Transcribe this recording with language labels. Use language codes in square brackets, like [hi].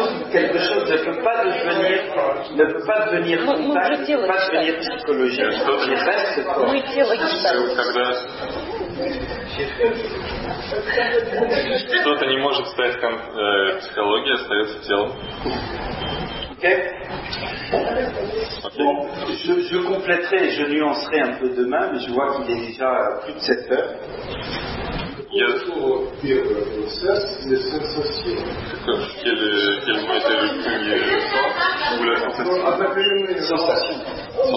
[fr] Quelque chose ne peut pas devenir, ne peut pas devenir cristal, pas devenir psychologie. [ru] Что-то не может стать психологией, остается телом. Okay. [fr] Bon, je compléterai, je nuancerai un peu demain, mais je vois qu'il est déjà plus de 7 heures. Quelle était le premier temps ou la